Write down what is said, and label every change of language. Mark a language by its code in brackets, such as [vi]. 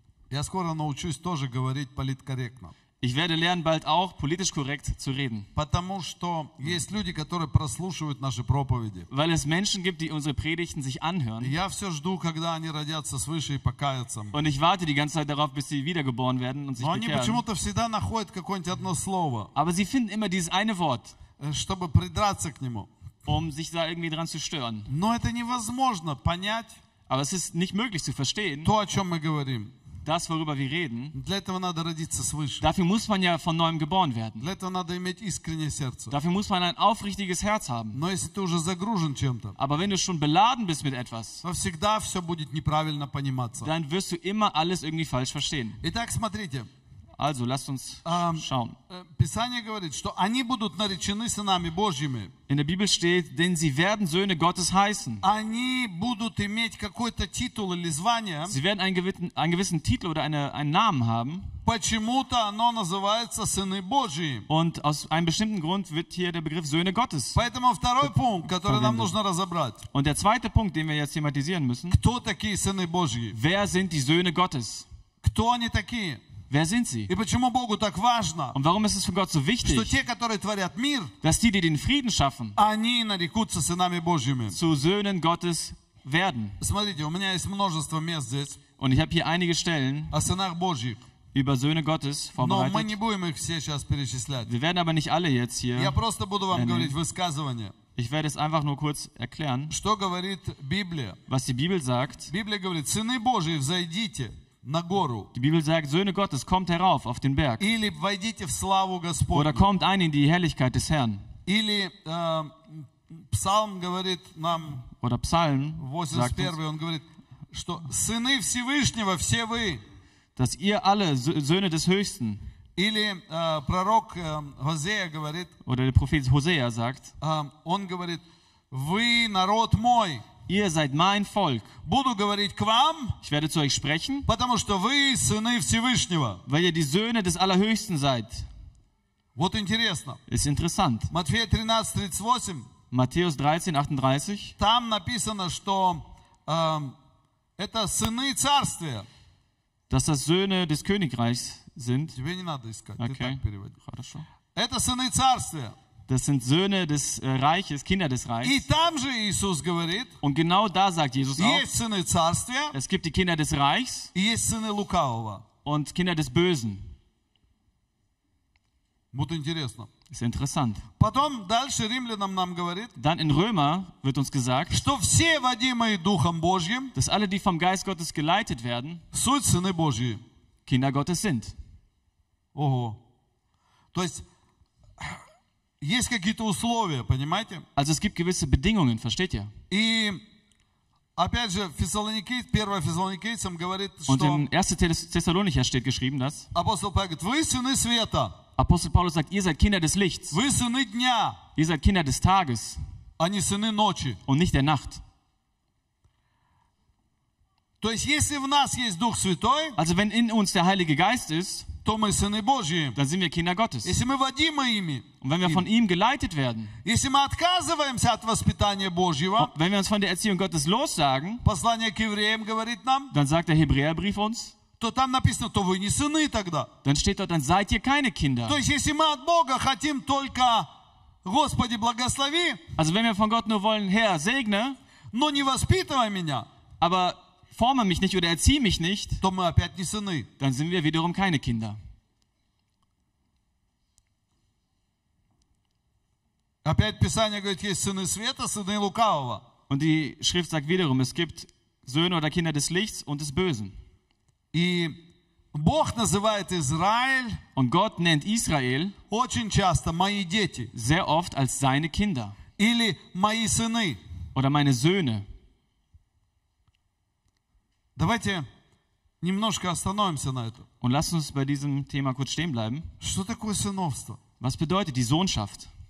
[ru] Я скоро научусь тоже говорить политкорректно. [de] Ich werde lernen, bald auch politisch korrekt zu reden. [ru] Потому что есть люди, которые прослушивают наши проповеди. [de] Weil es Menschen gibt, die unsere Predigten sich anhören. [ru] Я все жду, когда они родятся свыше и покаятся. [de] Und ich warte die ganze Zeit darauf, bis sie wiedergeboren werden und sich bekehren. [ru] Они почему-то всегда находят какое-нибудь одно слово. [de] Aber sie finden immer dieses eine Wort. [ru] Чтобы придраться к нему. [de] Um sich da irgendwie dran zu stören. [ru] Но это невозможно понять. [de] Aber es ist nicht möglich zu verstehen. [ru] То, о чем мы говорим. [de] Das, worüber wir reden. [ru] Для этого надо родиться свыше. [de] Dafür muss man ja von neuem geboren werden. [ru] Для этого надо иметь искреннее сердце. [de] Dafür muss man ein aufrichtiges Herz haben. [ru] Но если ты уже загружен чем-то. [de] Aber wenn du schon beladen bist mit etwas. [ru] То всегда все будет неправильно пониматься. [de] Dann wirst du immer alles irgendwie falsch verstehen. [ru] Итак, смотрите. [de] Also, lasst uns schauen. [ru] Писание говорит, что они будут наречены сынами Божьими. [de] In der Bibel steht, denn sie werden Söhne Gottes heißen. [ru] Они будут иметь какой-то титул или звание. [de] Sie werden einen gewissen Titel oder einen Namen haben. [ru] Почему-то оно называется сыны Божьи. [de] Und aus einem bestimmten Grund wird hier der Begriff Söhne Gottes. [ru] Поэтому второй Punkt, который нам нужно разобрать. [de] Und der zweite Punkt, den wir jetzt thematisieren müssen. [ru] Кто такие сыны Божьи? [de] Wer sind die Söhne Gottes? [ru] Кто они такие? [de] Wer sind sie? [ru] И почему Богу так важно? [de] Und warum ist es für Gott so wichtig, [ru] что те, которые творят мир, [de] dass die den Frieden schaffen, [ru] они нарекутся сынами Божьими. [de] Zu Söhnen Gottes werden. [ru] Смотрите, у меня есть множество мест здесь. [de] Und ich habe hier einige Stellen [ru] о сынах Божьих. [de] Über Söhne Gottes vorbereitet. [ru] Но мы не будем их все сейчас перечислять. [de] Wir werden aber nicht alle jetzt hier. [ru] Я просто буду вам говорить высказывание. [de] Ich werde es einfach nur kurz erklären. [ru] Что говорит Библия? [de] Was die Bibel sagt. [ru] Библия говорит: Сыны Божьи, взойдите на гору. [de] Die Bibel sagt: Söhne Gottes, kommt herauf auf den Berg. [ru] Или войдите в славу Господню. [de] Oder kommt ein in die Herrlichkeit des Herrn. [ru] Или Псалм говорит нам. [de] Oder Psalm sagt [ru] uns, он говорит, что сыны Всевышнего все вы. [de] Dass ihr alle Söhne des Höchsten. [ru] Или пророк Хозея говорит. [de] Oder der Prophet Hosea sagt. [ru] Он говорит: Вы народ мой. [de] Ihr seid mein Volk. [ru] Буду говорить к вам. [de] Ich werde zu euch sprechen. [ru] Потому что вы сыны Всевышнего. [de] Weil ihr die Söhne des Allerhöchsten seid. [ru] Вот интересно. [de] Ist interessant. [ru] Матфея 13:38. [de] Matthäus 13:38. [ru] Там написано, что это сыны царствия. [de] Dass das Söhne des Königreichs sind. [ru] Тебе не надо искать, okay. Ты так переводишь. Хорошо. Это сыны царствия. [de] Das sind Söhne des Reiches, Kinder des Reichs. [ru] И там же Иисус говорит. [de] Und genau da sagt Jesus auch. [ru] Есть сыны царствия. [de] Es gibt die Kinder des Reichs. [ru] И есть сыны лукавого. [de] Und Kinder des Bösen. [ru] Вот интересно. [de] Ist interessant. [ru] Потом дальше Римлянам нам говорит. [de] Dann in Römer wird uns gesagt, [ru] что все водимые Духом Божьим, [de] dass alle, die vom Geist Gottes geleitet werden, [ru] суть сыны Божьи, [de] Kinder Gottes sind. [ru] Ого. То есть есть какие-то условия, понимаете? [de] Also es gibt gewisse Bedingungen, versteht ihr? [ru] И опять же, первое Фессалоникийцам говорит, [de] что. Und in 1. Thessalonicher steht geschrieben, dass. [ru] Апостол Павел говорит: Вы сыны света. [de] Apostel Paulus sagt, ihr seid Kinder des Lichts. [ru] Вы сыны дня. [de] Ihr seid Kinder des Tages. [ru] А не сыны ночи. [de] Und nicht der Nacht. [ru] То есть, если в нас есть Дух Святой, [de] also wenn in uns der Heilige Geist ist, [ru] то мы сыны Божьи. [de] Dann sind wir Kinder Gottes. [ru] Если мы водимы ими, [de] und wenn wir von ihm geleitet werden, [ru] если мы отказываемся от воспитания Божьего, [de] wenn wir uns von der Erziehung Gottes lossagen, [ru] послание к евреям говорит нам, [de] dann sagt der Hebräerbrief uns, [ru] то там написано, то вы не сыны тогда. [de] Dann steht dort, dann seid ihr keine Kinder. [ru] То есть, если мы от Бога хотим только, Господи, благослови, [de] also wenn wir von Gott nur wollen, Herr, segne, [ru] но не воспитывай меня, [de] aber forme mich nicht oder erziehe mich nicht, [ru] то мы опять не сыны. [de] Dann sind wir wiederum keine Kinder. [ru] Опять Писание говорит, есть сыны света, сыны лукавого. [de] Und die Schrift sagt wiederum, es gibt Söhne oder Kinder des Lichts und des Bösen. [ru] И Бог называет Израиль, [de] und Gott nennt Israel, [ru] очень часто мои дети, [de] sehr oft als seine Kinder, [ru] или мои сыны, [de] oder meine Söhne. [ru] Давайте немножко остановимся на этом. [de] Und lass uns bei diesem Thema kurz stehen bleiben. [ru] Что такое сыновство? [de] Was bedeutet die Sohnschaft?